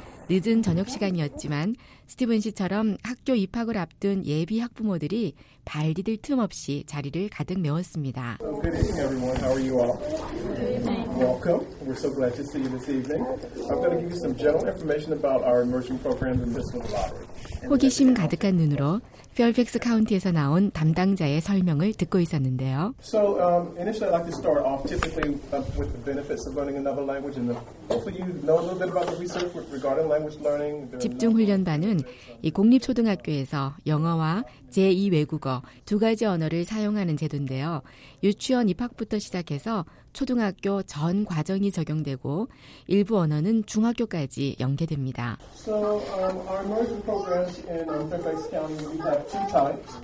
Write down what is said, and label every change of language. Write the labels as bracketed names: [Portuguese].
[Korean] 늦은 저녁 시간이었지만 스티븐 씨처럼 학교 입학을 앞둔 예비 학부모들이 발 디딜 틈 없이 자리를 가득 메웠습니다. [English] Good evening, everyone. How are you all? Welcome. We're so glad to see you this evening. I'm going to give you some general information about our immersion programs in this one. [Korean] 호기심 가득한 눈으로 페어팩스 카운티에서 나온 담당자의 설명을 듣고 있었는데요. [English] So, initially I'd like to start off typically with the benefits of learning another language and hopefully you know a little bit about the research regarding language learning. [Korean] 집중 훈련반은 이 공립 초등학교에서 영어와 제2 외국어 두 가지 언어를 사용하는 제도인데요. 유치원 입학부터 시작해서 초등학교 전 과정이 적용되고 일부 언어는 중학교까지 연계됩니다. [English] So, our immersion programs in Fairfax County, we have two types.